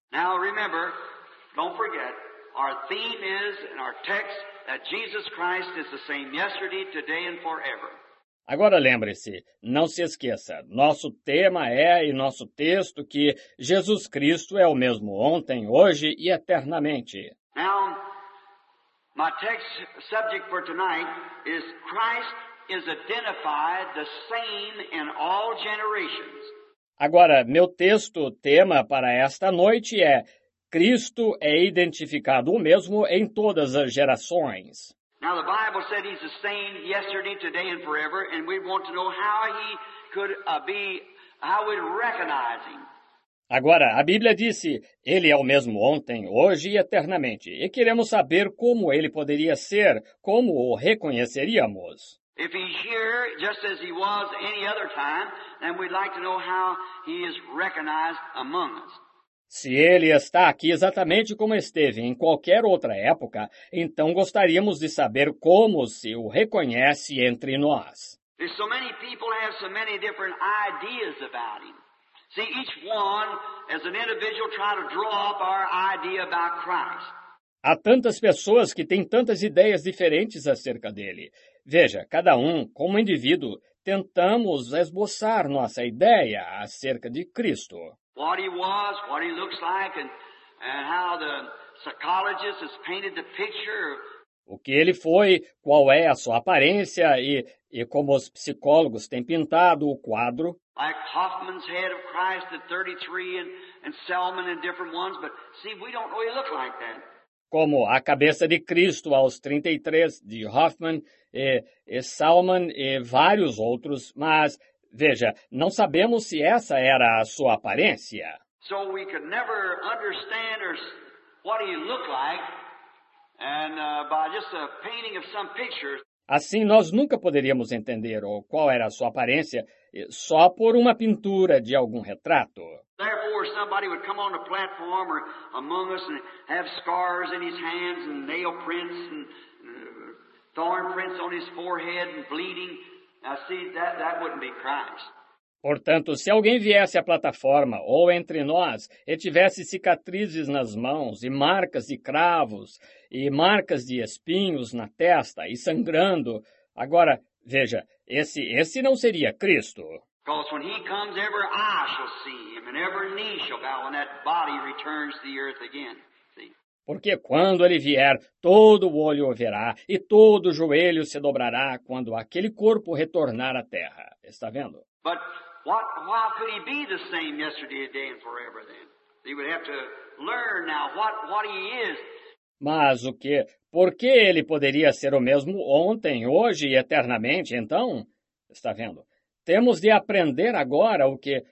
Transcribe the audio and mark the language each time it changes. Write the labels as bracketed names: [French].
[English] Now, remember, don't forget, our theme is, in our text, that Jesus Christ is the same yesterday, today and forever. [Portuguese] Agora lembre-se, não se esqueça, nosso tema é e nosso texto que Jesus Cristo é o mesmo ontem, hoje e eternamente. [English] Now, my text subject for tonight is Christ is identified the same in all generations. [Portuguese] Agora, meu texto tema para esta noite é Cristo é identificado o mesmo em todas as gerações. [English] Now the Bible said he's the same yesterday, today, and forever, and we want to know how he could be, how we'd recognize him. [Portuguese] Agora, a Bíblia disse, ele é o mesmo ontem, hoje e eternamente, e queremos saber como ele poderia ser, como o reconheceríamos. [English] If he's here, just as he was any other time, then we'd like to know how he is recognized among us. [Portuguese] Se ele está aqui exatamente como esteve em qualquer outra época, então gostaríamos de saber como se o reconhece entre nós. [English] So many people have so many different ideas about him. See, each one, as an individual, try to draw up our idea about Christ. [Portuguese] Há tantas pessoas que têm tantas ideias diferentes acerca dele. Veja, cada um, como indivíduo, tentamos esboçar nossa ideia acerca de Cristo. [English] What he was, what he looks like, and how the psychologist has painted the picture. [Portuguese] O que ele foi, qual é a sua aparência, e como os psicólogos têm pintado o quadro. [English] Like Hoffman's head of Christ at 33, and Selman and different ones, but see, we don't really look like that. [Portuguese] Como a cabeça de Cristo aos 33, de Hoffman, e Selman, e vários outros, mas veja, não sabemos se essa era a sua aparência. [English] So we could never understand what he looked like and by just a painting of some pictures. [Portuguese] Assim nós nunca poderíamos entender qual era a sua aparência só por uma pintura de algum retrato. [English] Therefore somebody would come on the platform or among us and have scars in his hands and nail prints and thorn prints on his forehead and bleeding. Now see, that wouldn't be Christ. [Portuguese] Portanto, se alguém viesse à plataforma ou entre nós e tivesse cicatrizes nas mãos e marcas de cravos e marcas de espinhos na testa e sangrando, agora, veja, esse não seria Cristo. [English] Because when he comes, every eye shall see him, and every knee shall bow when that body returns to the earth again. [Portuguese] Porque quando ele vier, todo o olho o verá, e todo o joelho se dobrará quando aquele corpo retornar à terra. Está vendo? [English] But why could he be the same yesterday, today, and forever then? He would have to learn now what he is. [Portuguese] Mas o quê? Por que ele poderia ser o mesmo ontem, hoje e eternamente, então? Está vendo? Temos de aprender agora o quê?